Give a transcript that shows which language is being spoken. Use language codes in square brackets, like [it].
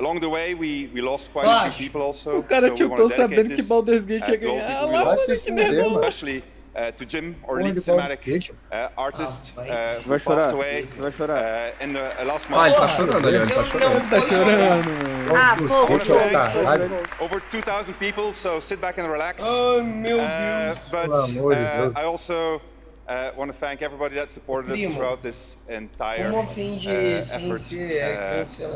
[en] Along the way, we lost quite a few people also. [pt] O cara tiltou sabendo que Baldur's Gate ia ganhar. Ah, lá, mano, que nervoso. [en] To Jim, our lead cinematic artist, who passed away in the last month. [pt] Ah, ele tá chorando ali, ele tá chorando. [en] Over 2,000 people, so sit back and relax. [pt] Oh, meu Deus. [en] But I also want to thank everybody that supported us throughout this entire effort.